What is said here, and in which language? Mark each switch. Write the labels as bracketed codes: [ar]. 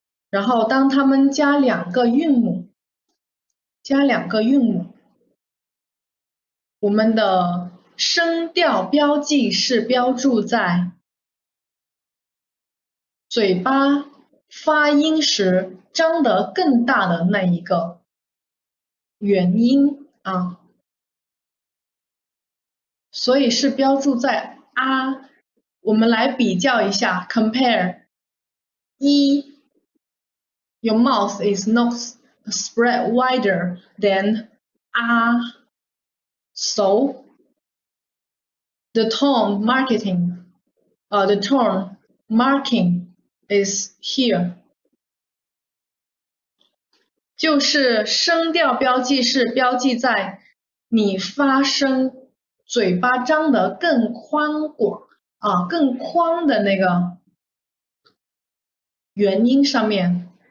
[zh] 然后，当他们加两个韵母，加两个韵母，我们的声调标记是标注在嘴巴发音时张得更大的那一个元音啊，所以是标注在啊。我们来比较一下，compare 一。 [en] Your mouth is not spread wider than a, so the tone marking is here. [zh] 就是声调标记是标记在你发声，嘴巴张得更宽广啊，更宽的那个元音上面。